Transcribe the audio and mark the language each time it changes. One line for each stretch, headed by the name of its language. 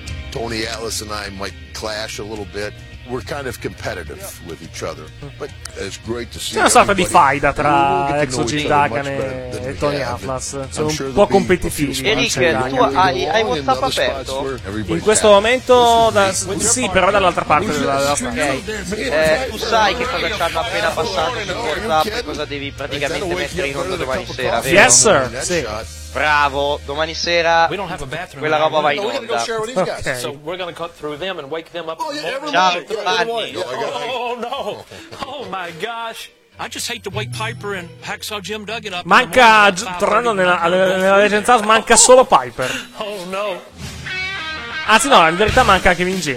English: Tony Atlas and I might clash a little bit. We're kind of competitive with each other, but it's great to see.
Italian: C'è una sorta di faida tra ex Jim Duggan e Tony Atlas. C'è un po' competitivo. Eric, tu hai WhatsApp aperto? In questo momento, sì, però dall'altra parte della stanza. Tu sai che cosa ci hanno appena passato su WhatsApp? Cosa devi praticamente mettere in onda domani sera?
English: Yes, sir. Sì.
Italian: Bravo, domani sera quella roba va in onda.
English: Okay. So we're gonna cut through them and wake them up.
Italian: Ciao, Giovanni.
English: Oh no. Oh my gosh. I just hate the white Piper and Hacksaw Jim dug it up.
Italian: Manca, tornando nella Legend House, manca solo Piper.
English: Oh no.
Italian: Anzi no, in verità manca anche Mean Gene.